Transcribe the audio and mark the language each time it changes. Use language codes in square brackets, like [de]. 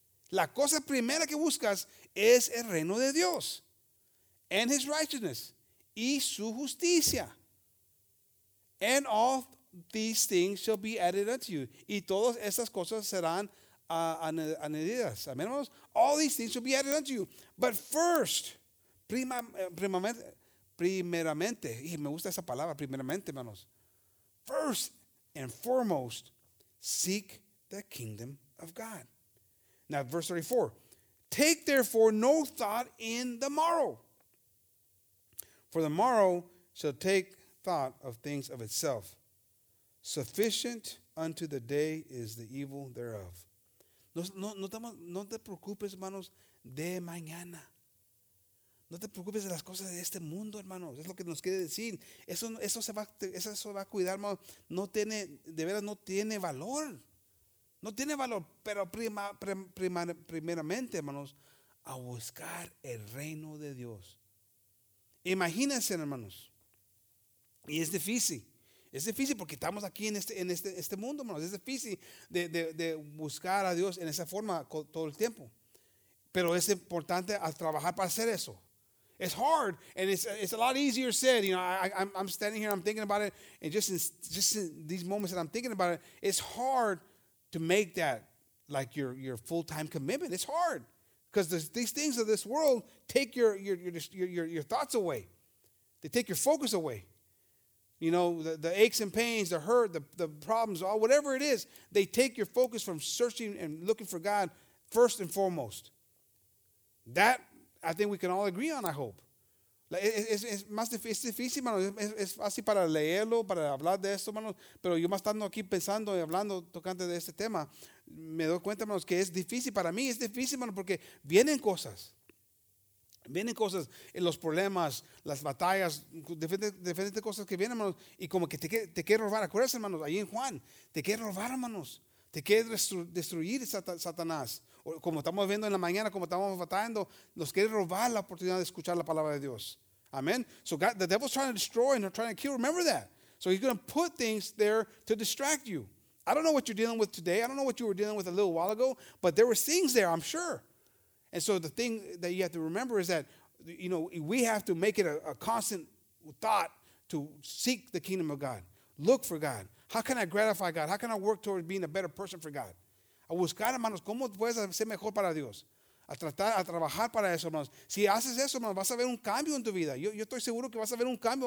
[es] La cosa primera que buscas es el reino de Dios. [en] And his righteousness. [es] Y su justicia. [en] And all these things shall be added unto you. [es] Y todas estas cosas serán añadidas. Amén, hermanos. [en] All these things shall be added unto you. But first. [es] Primeramente, y me gusta esa palabra, primeramente, hermanos. [en] First and foremost, seek the kingdom of God. Now, verse 34. Take therefore no thought in the morrow. For the morrow shall take thought of things of itself. Sufficient unto the day is the evil thereof. [es] No te preocupes, hermanos, de mañana. No te preocupes de las cosas de este mundo, hermanos. Es lo que nos quiere decir. Eso se va a cuidar, hermanos. No tiene, de veras, no tiene valor. No tiene valor. Pero primeramente, hermanos, a buscar el reino de Dios. Imagínense, hermanos. Y es difícil. Es difícil porque estamos aquí en este mundo, hermanos. Es difícil de buscar a Dios en esa forma todo el tiempo. Pero es importante a trabajar para hacer eso. [en] It's hard, and it's a lot easier said. You know, I'm standing here, I'm thinking about it, and just in these moments that I'm thinking about it, it's hard to make that like your full-time commitment. It's hard because these things of this world take your thoughts away. They take your focus away. You know, the aches and pains, the hurt, the problems, all whatever it is, they take your focus from searching and looking for God first and foremost. That, I think we can all agree on, I hope. [es] Es difícil, mano. Es fácil para leerlo, para hablar de esto, mano. Pero yo más estando aquí pensando y hablando, tocante de este tema, me doy cuenta, mano, que es difícil para mí. Es difícil, mano, porque vienen cosas. Vienen cosas, los problemas, las batallas, diferentes cosas que vienen, manos. Y como que te quiere robar. Acuérdense, hermanos, ahí en Juan, te quiere robar, hermanos. Te quiere destruir Satanás. Como estamos viendo en la mañana, como estamos batallando, nos quiere robar la oportunidad de escuchar la palabra de Dios. Amén. [en] So God, the devil's trying to destroy and trying to kill. Remember that. So he's going to put things there to distract you. I don't know what you're dealing with today. I don't know what you were dealing with a little while ago. But there were things there, I'm sure. And so the thing that you have to remember is that, you know, we have to make it a constant thought to seek the kingdom of God. Look for God. How can I gratify God? How can I work towards being a better person for God? [es] A buscar, hermanos, cómo puedes ser mejor para Dios. A tratar, a trabajar para eso, hermanos. Si haces eso, hermanos, vas a ver un cambio en tu vida. Yo estoy seguro que vas a ver un cambio.